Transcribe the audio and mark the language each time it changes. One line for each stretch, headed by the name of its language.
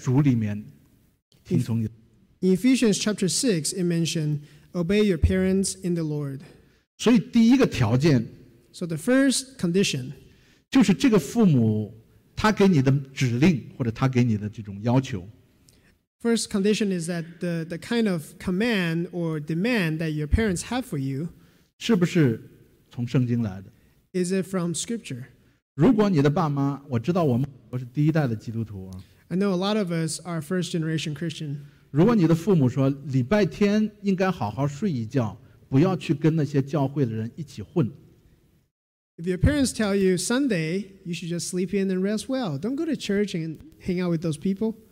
Chinese: 在以弗所书第6章讲到，在主里面听从你。
English: In Ephesians chapter 6, it mentioned obey your parents in the Lord.
Chinese: 所以第一个条件。
English: So the first condition.
Chinese: 就是这个父母他给你的指令或者他给你的这种要求。
English: First condition is that the kind of command or demand that your parents have for you
Chinese: 是不是从圣经来的？
English: Is it from scripture?
Chinese: 如果你的爸妈, 我知道我是第一代的基督徒啊。
English: I know a lot of us are first generation Christian.
Chinese: 如果你的父母说, 礼拜天应该好好睡一觉, 不要去跟那些教会的人一起混。
English: If your parents tell you Sunday, you should just sleep in and rest well. Don't go to church and hang out with those people.